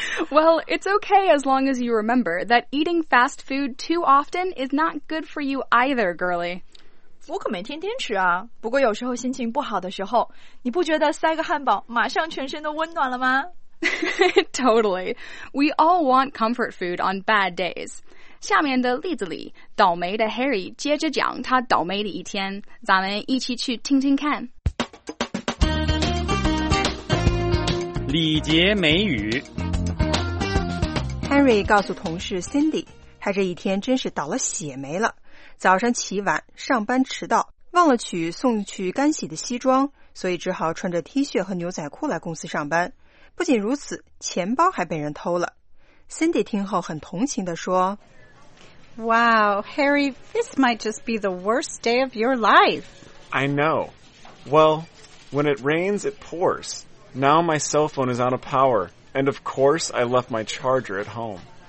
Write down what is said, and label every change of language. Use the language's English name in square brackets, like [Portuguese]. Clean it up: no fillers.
[English] Well, it's okay as long as you remember that eating fast food too often is not good for you either, girlie. [Chinese] 我可没天天吃啊。不过有时候心情不好的时候，你不觉得塞个汉堡马上全身都温暖了吗？ [English] Totally. We all want comfort food on bad days. [Chinese] 下面的例子里，倒霉的 Harry 接着讲他倒霉的一天，咱们一起去听听看。礼节美语。 Harry 告诉同事 Cindy， 他这一天真是倒了血霉了，早上起晚，上班迟到，忘了取送去干洗的西装，所以只好穿着 T 恤和牛仔裤来公司上班。不仅如此，钱包还被人偷了。 Cindy 听后很同情地说， [English] Wow, Harry, this might just be the worst day of your life. I know. Well, when it rains, it pours. Now my cell phone is out of power, and of course I left my charger at home.